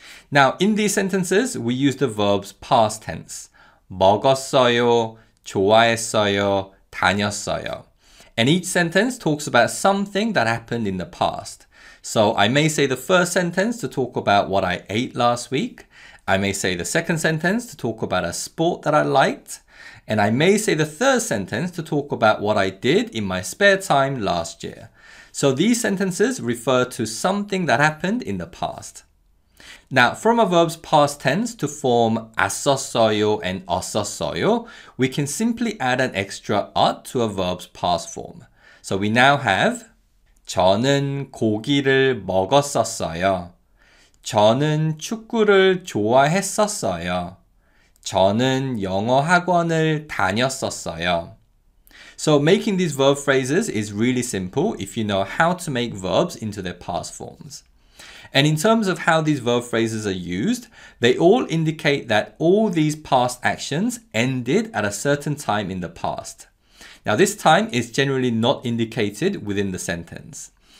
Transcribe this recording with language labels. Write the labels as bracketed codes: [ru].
[en] Now, in these sentences, we use the verbs past tense. [ko] 먹었어요, 좋아했어요, 다녔어요. [en] And each sentence talks about something that happened in the past. So I may say the first sentence to talk about what I ate last week. I may say the second sentence to talk about a sport that I liked. And I may say the third sentence to talk about what I did in my spare time last year. So these sentences refer to something that happened in the past. Now, from a verb's past tense to form 았었어요 and 었었어요, we can simply add an extra 었 to a verb's past form. [ko] So we now have 저는 고기를 먹었었어요. 저는 축구를 좋아했었어요. 저는 영어 학원을 다녔었어요. [en] So making these verb phrases is really simple if you know how to make verbs into their past forms. And in terms of how these verb phrases are used, they all indicate that all these past actions ended at a certain time in the past. Now, this time is generally not indicated within the sentence.